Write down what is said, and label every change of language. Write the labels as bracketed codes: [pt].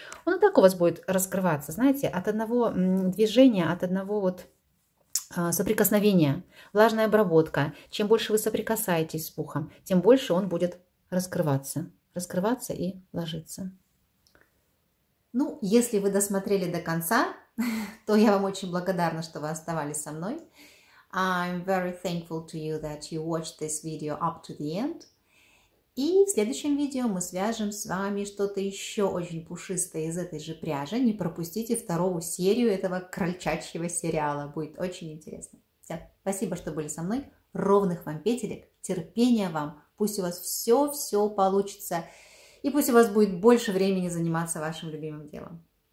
[ru] Он и так у вас будет раскрываться, знаете, от одного движения, от одного вот соприкосновения, влажная обработка. Чем больше вы соприкасаетесь с пухом, тем больше он будет раскрываться, раскрываться и ложиться. Ну, если вы досмотрели до конца, то я вам очень благодарна, что вы оставались со мной. [en] I'm very thankful to you that you watched this video up to the end. [ru] И в следующем видео мы свяжем с вами что-то еще очень пушистое из этой же пряжи. Не пропустите вторую серию этого крольчачьего сериала. Будет очень интересно. Все. Спасибо, что были со мной. Ровных вам петелек. Терпения вам. Пусть у вас все-все получится. И пусть у вас будет больше времени заниматься вашим любимым делом.